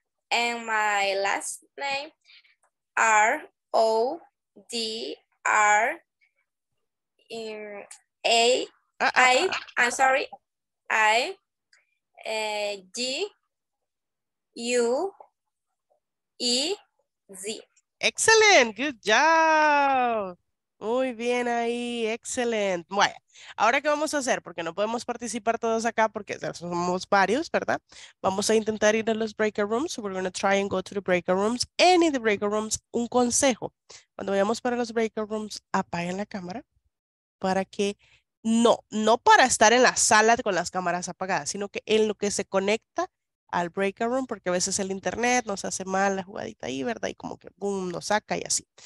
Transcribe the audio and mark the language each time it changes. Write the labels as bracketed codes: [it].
[en] And my last name, R-O-D-R-I-G-U-E-Z. Excellent, good job. [es] Muy bien ahí, [en] excellent. [es] Bueno, ahora qué vamos a hacer, porque no podemos participar todos acá, porque somos varios, ¿verdad? Vamos a intentar ir a los [en] breaker rooms, we're going to try and go to the breaker rooms, any of the breaker rooms. [es] Un consejo, cuando vayamos para los breaker rooms, apaguen la cámara, para que, no para estar en la sala con las cámaras apagadas, sino que en lo que se conecta al breaker room, porque a veces el internet nos hace mal la jugadita ahí, ¿verdad? Y como que boom, nos saca y así.